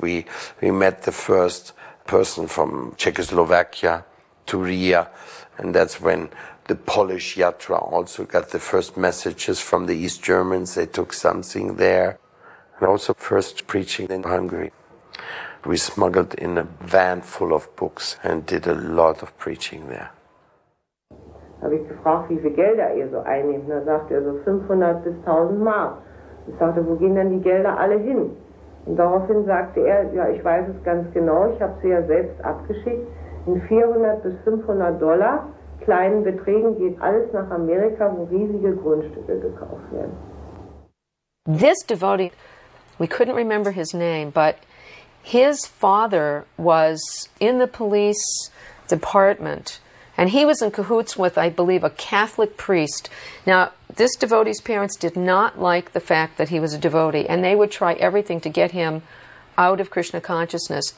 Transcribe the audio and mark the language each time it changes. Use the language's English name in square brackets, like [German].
[English] We met the first person from Czechoslovakia, Turia, and that's when the Polish Yatra also got the first messages from the East Germans. They took something there. And also first preaching in Hungary. We smuggled in a van full of books and did a lot of preaching there. [German] Habe ich gefragt, wie viel Geld er so einnimmt. Da sagt er so 500 bis 1000 Mark. Ich sagte, wo gehen denn die Gelder alle hin? Und daraufhin sagte er, ja, ich weiß es ganz genau, ich habe sie ja selbst abgeschickt. In 400 bis 500 Dollar kleinen Beträgen geht alles nach Amerika, wo riesige Grundstücke gekauft werden. [English] This devotee, we couldn't remember his name, but his father was in the police department, and he was in cahoots with, I believe, a Catholic priest. Now, this devotee's parents did not like the fact that he was a devotee, and they would try everything to get him out of Krishna consciousness.